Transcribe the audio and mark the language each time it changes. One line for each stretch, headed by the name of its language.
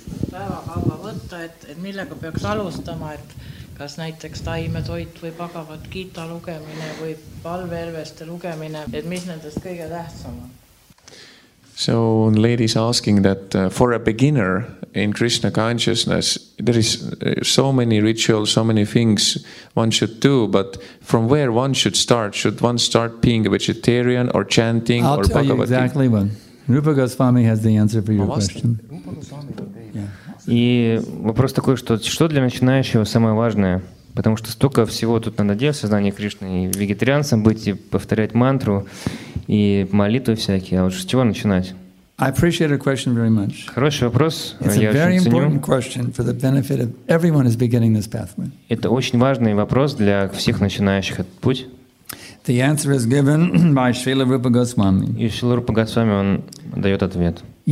Estonian: Päeva kava võtta, et millega peaks alustama, et kas näiteks taimetoit või pagavat kiita lugemine või palveelveste lugemine, et mis nendest kõige tähtsam on?
English: So, lady is asking that for a beginner in Krishna consciousness, there is so many rituals, so many things one should do, but from where one should start? Should one start being a vegetarian or chanting I'll or Bhagavad Gita? I'll tell you exactly when. Rupa Goswami has the answer for your question.
Russian: И вопрос такой, что для начинающего самое важное? Потому что столько всего тут надо делать в сознании Кришны, и вегетарианцам быть, и повторять мантру, и молитвы всякие. А вот с чего начинать?
English: I appreciate your question very much.
Russian: Хороший вопрос.
English: It's a very important question for the benefit of everyone who's beginning this pathway.
Russian: Это очень важный вопрос для всех начинающих этот путь.
English: The answer is given by Srila Rupa Goswami.
Russian: И Шрила Рупа Госвами он дает ответ.